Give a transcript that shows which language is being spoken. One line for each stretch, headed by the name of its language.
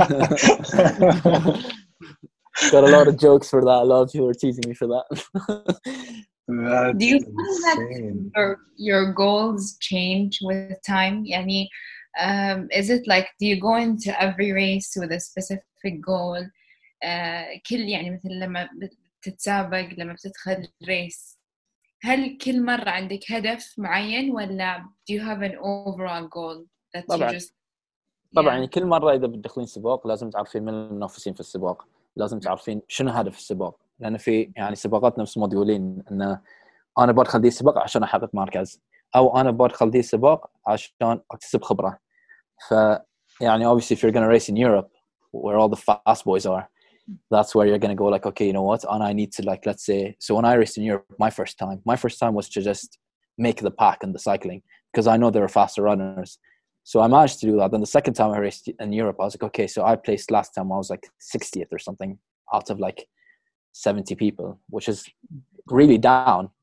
English: Got a lot of jokes for that. A lot of people were teasing me for that. That's Do you insane. Find that your goals change with time? Yani, is it like, do you go into every race with a specific goal?
Arabic: كل يعني مثل لما بتتسابق لما بتدخل race هل كل مرة عندك هدف معين ولا
English: do you have an overall goal that
Arabic: طبعًا.
English: you just
Arabic: يعني كل مرة إذا بتدخلين سباق لازم تعرفين من المنافسين في السباق، لازم تعرفين شنو هدف السباق، لأن في يعني سباقات نفس موديولين أن أنا بدخل دي السباق عشان أحقق مركز، أو أنا بدخل دي السباق عشان أكتسب خبرة. فيعني
English: obviously if you're gonna race in Europe where all the fast boys are, that's where you're going to go like, okay, you know what? And I need to like, let's say, so when I raced in Europe, my first time was to just make the pack in the cycling because I know there are faster runners. So I managed to do that. Then the second time I raced in Europe, I was like, okay, so I placed last time, I was like 60th or something out of like 70 people, which is really down.